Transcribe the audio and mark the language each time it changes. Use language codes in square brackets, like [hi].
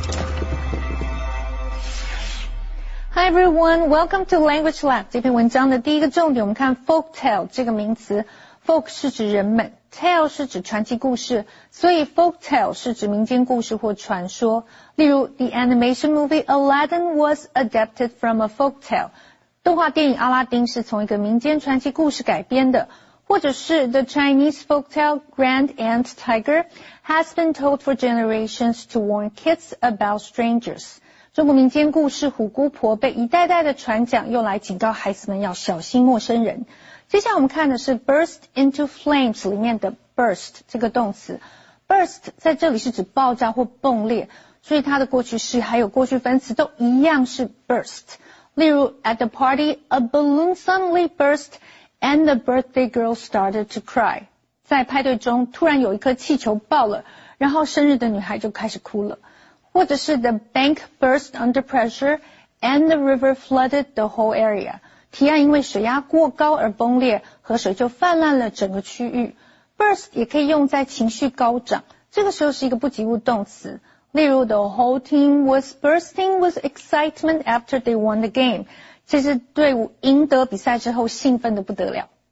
[en] Hi everyone, welcome to Language Lab. [zh] 这篇文章的第一个重点，我们看 folktale 这个名词。 Folk 是指人们 ，tale 是指传奇故事，所以 folktale 是指民间故事或传说。例如 [en] ，The animation movie Aladdin was adapted from a folktale. [zh] 动画电影阿拉丁是从一个民间传奇故事改编的。或者是 [en] The Chinese folktale Grand Aunt Tiger has been told for generations to warn kids about strangers. [zh] 中国民间故事虎姑婆被一代代的传讲，用来警告孩子们要小心陌生人。接下来我们看的是 [en] burst into flames [zh] 里面的 burst 这个动词。 burst 在这里是指爆炸或迸裂，所以它的过去式还有过去分词都一样是 burst。例如 [en] ,at the party, a balloon suddenly burst and the birthday girl started to cry. [zh] 在派对中突然有一颗气球爆了，然后生日的女孩就开始哭了。或者是 [en] the bank burst under pressure and the river flooded the whole area. [zh] 堤岸因为水压过高而崩裂，河水就泛滥了整个区域。 burst 也可以用在情绪高涨，这个时候是一个不及物动词。例如 [en] the whole team was bursting with excitement after they won the game. [zh] 这支队伍赢得比赛之后兴奋得不得了。